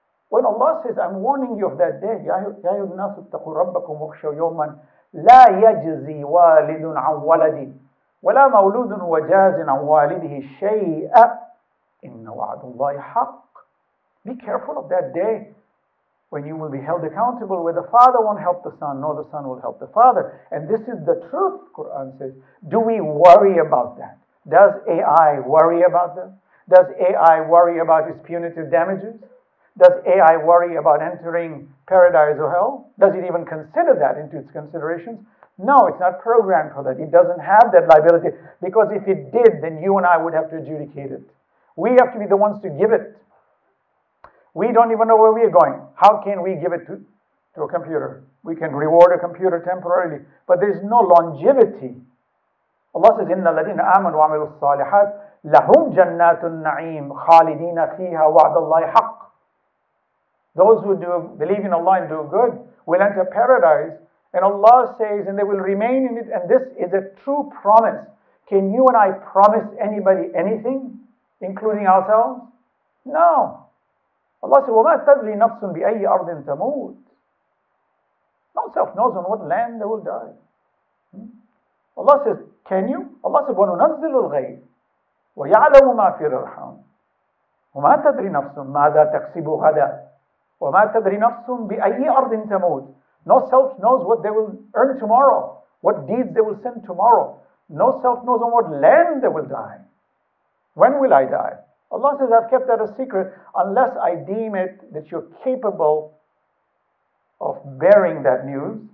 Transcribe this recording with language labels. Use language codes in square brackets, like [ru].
[en] When Allah says, I'm warning you of that day, [ar] يَا أَيُّهَا النَّاسُ اتَّقُوا رَبَّكُمْ وَاخْشَوْا يَوْمًا لَا يَجْزِي وَالِدٌ عَنْ وَلَدِهِ وَلَا مَوْلُودٌ وَجَازٍ عَنْ وَالِدِهِ شَيْئًا إِنَّ وَعَدُ اللَّهِ حَقٌّ. [en] Be careful of that day when you will be held accountable, where the father won't help the son, nor the son will help the father. And this is the truth, Quran says. Do we worry about that? Does AI worry about that? Does AI worry about its punitive damages? Does AI worry about entering paradise or hell? Does it even consider that into its considerations? No, it's not programmed for that. It doesn't have that liability. Because if it did, then you and I would have to adjudicate it. We have to be the ones to give it. We don't even know where we are going. How can we give it to a computer? We can reward a computer temporarily. But there's no longevity. Allah says, [ar] إِنَّ الَّذِينَ آمَنُوا وَعَمِلُوا الصَّالِحَاتِ لَهُمْ جَنَّاتُ النَّعِيمِ خَالِدِينَ فِيهَا وَعْدَ اللَّهِ حَقِّ. [en] Those who do believe in Allah and do good will enter paradise. And Allah says, and they will remain in it. And this is a true promise. Can you and I promise anybody anything, including ourselves? No. Allah says, [ar] وَمَا تَدْرِي نَفْسٌ بِأَيِّ أَرْضٍ تَمُوتٌ. [en] No self knows on what land they will die. Allah says, can you? Allah says, [ar] وَنُنَزِّلُ الْغَيْبِ وَيَعْلَمُ مَا فِي الْأَرْحَامِ وَمَا تَدْرِي نَفْسٌ مَاذَا تَكْسِبُ غَدًا. وَمَا تَدْرِي نَفْسٌ بِأَيِّ أَرْضٍ تَمُوتُ. [en] No self knows what they will earn tomorrow, what deeds they will send tomorrow. No self knows on what land they will die. When will I die? Allah says, I've kept that a secret unless I deem it that you're capable of bearing that news.